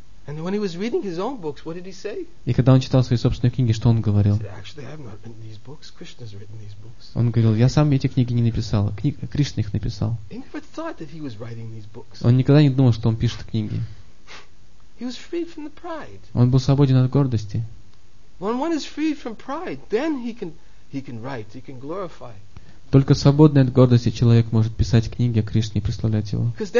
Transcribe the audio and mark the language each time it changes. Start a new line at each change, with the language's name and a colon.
English: And when he was reading his own books, what did he say?
Russian: И когда он читал свои собственные книги, что он говорил?
English: Actually, I have not written these books. Krishna's written these books.
Russian: Он говорил, я сам эти книги не написал, Кришна их написал.
English: He never thought that he was writing these books.
Russian: Он никогда не думал, что он пишет книги.
English: He was freed from the pride.
Russian: Он был свободен от гордости.
English: When one is freed from pride, then he can write, he can glorify.
Russian: Только свободный от гордости человек может писать книги о Кришне и прославлять его.